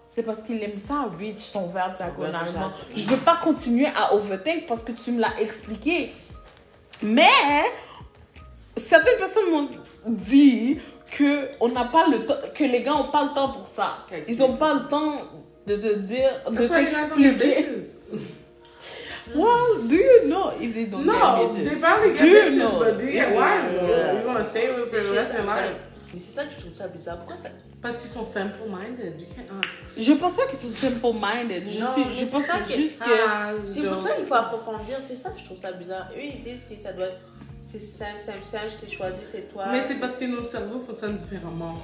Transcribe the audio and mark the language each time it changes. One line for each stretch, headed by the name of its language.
French: c'est parce qu'il aime ça, reach son verre diagonalement. Je ne veux pas continuer à overthink parce que tu me l'as expliqué. Mais, certaines personnes m'ont dit qu'on n'a pas le temps, que les gars n'ont pas le temps pour ça. Ils n'ont pas le temps de te dire, de t'expliquer.
English: Well, do you know if they don't get bitches? No, they probably get bitches, but do you get wives? You're going to stay with them the rest of your life.
French: Mais c'est ça que je trouve ça bizarre. Pourquoi ça... Parce qu'ils sont simple-minded. Je pense pas qu'ils sont simple-minded. Je pense juste que... C'est pour ça qu'il faut approfondir. C'est ça que je trouve ça bizarre. Eux, ils disent que ça doit être... C'est simple, je t'ai choisi, c'est toi. Mais c'est parce que nos cerveaux fonctionnent différemment.